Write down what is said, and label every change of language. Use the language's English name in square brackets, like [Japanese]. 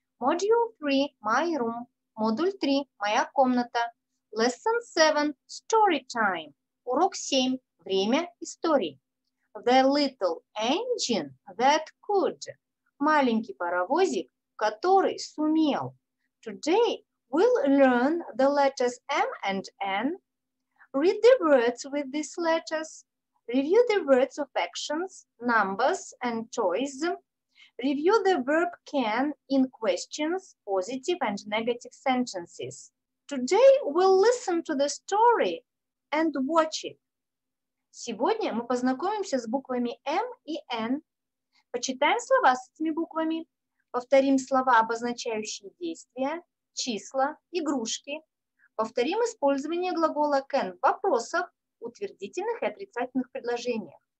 [English] Module 3. My room. [Russian] Модуль 3. Моя комната. [English] Lesson 7. Story time. [Russian] Урок 7. Время истории. [English] The little engine that could. [Russian] Маленький паровозик, который сумел. [English] Today we'll learn the letters M and N. Read the words with these letters. Review the words of actions, numbers, and choice. Review the verb can in questions, positive and negative sentences. Today we'll listen to the story and watch it. [Russian] Сегодня мы познакомимся с буквами M и N. Почитаем слова с этими буквами. Повторим слова, обозначающие действия, числа, игрушки. Повторим использование глагола can в вопросах, утвердительных и отрицательных предложениях.